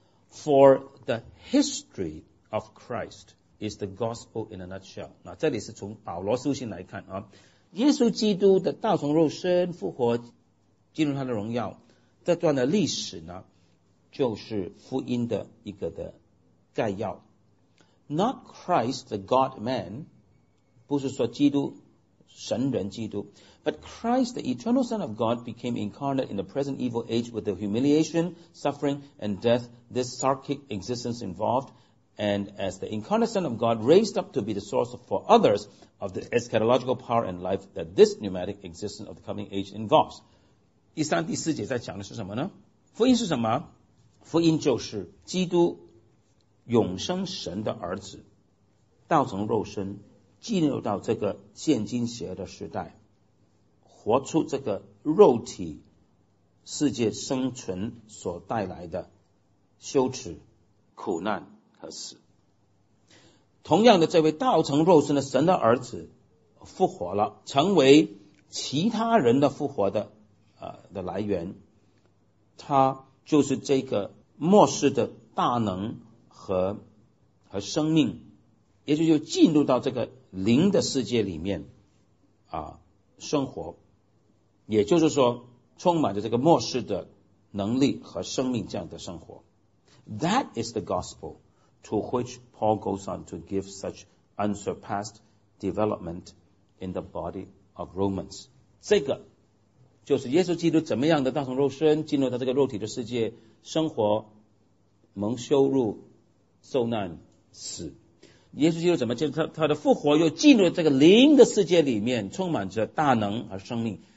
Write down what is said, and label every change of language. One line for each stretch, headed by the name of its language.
English: For the history of ChristIs the gospel in a nutshell.
Chinese: 那这里是从保罗书信来看啊，耶稣基督的道成肉身复活进入他的荣耀，这段的历史呢就是福音的一个的概要。
English: Not Christ the God man,
Chinese: 不是说基督神人基督，
English: But Christ the eternal Son of God became incarnate in the present evil age with the humiliation, suffering and death this sarcastic existence involvedAnd as the incarnate Son of God raised up to be the source for others of the eschatological power and life that this pneumatic existence of the coming age involves.
Chinese: 第三第四节在讲的是什么呢？福音是什么？福音就是基督永生神的儿子道成肉身进入到这个现今邪恶的时代，活出这个肉体世界生存所带来的羞耻苦难和死。同样的，这位道成肉身的神的儿子复活了，成为其他人的复活 的来源，他就是这个末世的大能 和生命，也就是进入到这个灵的世界里面啊，生活，也就是说充满着这个末世的能力和生命，这样的生活。
English: That is the gospel. To which Paul goes on to give such unsurpassed development in the body of Romans.
Chinese: 这个就是耶稣基督怎么样的道成肉身进入到这个肉体的世界生活蒙羞辱受难死，耶稣基督怎么进入 他的复活又进入这个灵的世界里面充满着大能和生命。